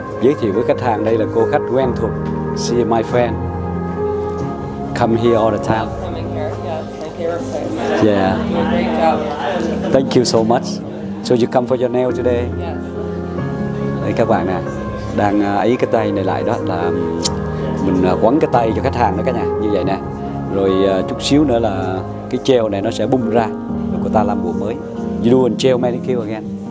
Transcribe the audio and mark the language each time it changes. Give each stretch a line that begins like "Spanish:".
Vietnamese: Giới thiệu với khách hàng, đây là cô khách quen thuộc.
English: She is my friend. Come here all the time. Coming here, yes, my favorite place. Yeah. Great job. Thank you so much. So you come for your nail today? Yes.
Vietnamese: Đây các bạn nè, đang ấy cái tay này lại đó, là mình quấn cái tay cho khách hàng đó cả nhà, như vậy nè. Rồi chút xíu nữa là cái gel này nó sẽ bung ra, rồi cô ta làm bộ mới.
English: You do a gel manicure again?